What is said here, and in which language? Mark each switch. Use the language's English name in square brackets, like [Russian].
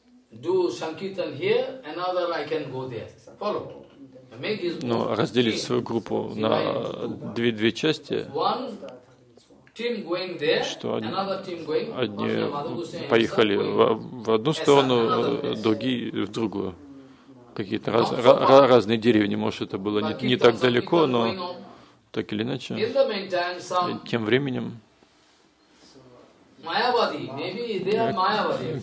[English] Do sankirtan here, another I can go there. Follow. Make his. [Russian] Но разделить свою группу на две части. [English] One team going there, another team going. [Russian] Одни поехали в одну сторону, другие в другую. Какие-то разные деревни, может, это было не так далеко, но так или иначе. [English] In the meantime, some. [Russian] Тем временем. [English] Mayavadi, maybe they are Mayavadi.